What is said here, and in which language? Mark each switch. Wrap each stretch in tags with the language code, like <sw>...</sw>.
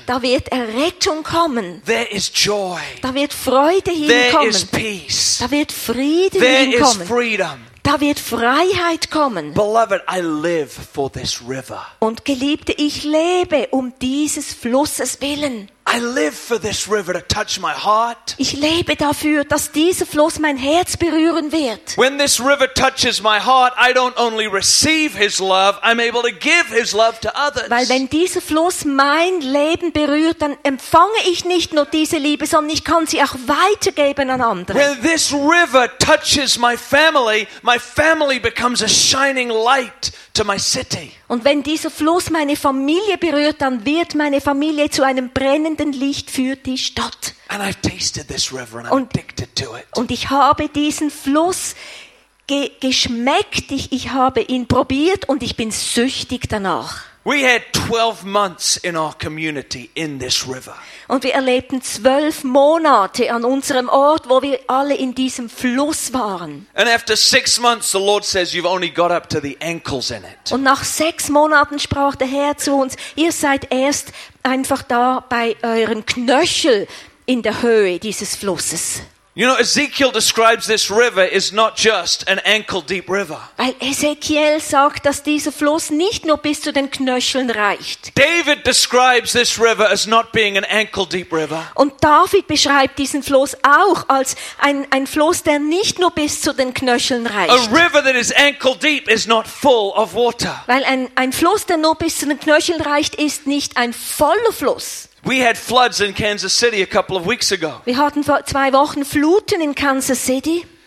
<de>Da wird Errettung kommen.</de> <en>There is joy.</en> <de>Da wird Freude hinkommen.</de> <en>There is peace.</en> <de>Da wird Frieden</de> <en>there</en> <de>hinkommen.</de> <en>Is freedom.</en> <de>Da wird Freiheit kommen.</de> <en>Beloved, I live for this river.</en> <de>Und Geliebte, ich lebe um dieses Flusses willen.</de> <en>I live for this river to touch my heart.</en> <de>Ich lebe dafür, dass dieser Fluss mein Herz berühren wird.</de> <en>When this river touches my heart, I don't only receive his love, I'm able to give his love to others.</en> <de>Weil wenn dieser Fluss mein Leben berührt, dann empfange ich nicht nur diese Liebe, sondern ich kann sie auch weitergeben an andere.</de> <en>When this river touches my family becomes a shining light to my city.</en> <de>Und wenn dieser Fluss meine Familie berührt, dann wird meine Familie zu einem brennenden Licht für die Stadt.</de> <en>And I've tasted this river and I'm addicted to it.</en> <de>Und ich habe diesen Fluss geschmeckt, ich habe ihn probiert und ich bin süchtig danach.</de> <en>We had 12 months in our community in this river.</en> <de>Und wir erlebten 12 Monate an unserem Ort, wo wir alle in diesem Fluss waren.</de> <en>And after 6 months the Lord says you've only got up to the ankles in it.</en> <de>Und nach 6 Monaten sprach der Herr zu uns, ihr seid erst einfach da bei euren Knöchel in der Höhe dieses Flusses.</de> <en>You know, Ezekiel describes this river is not just an ankle deep river.</en> <de>Weil Ezekiel sagt, dass dieser Fluss nicht nur bis zu den Knöcheln reicht.</de> <en>David describes this river as not being an ankle deep river.</en> <de>Und David beschreibt diesen Fluss auch als ein Fluss, der nicht nur bis zu den Knöcheln reicht.</de> <en>A river that is ankle deep is not full of water.</en> <de>Weil ein Fluss, der nur bis zu den Knöcheln reicht, ist nicht ein voller Fluss.</de> <en>We had floods in Kansas City a couple of weeks ago.</en> <de>Wir hatten vor 2 Wochen Fluten in Kansas City.</de>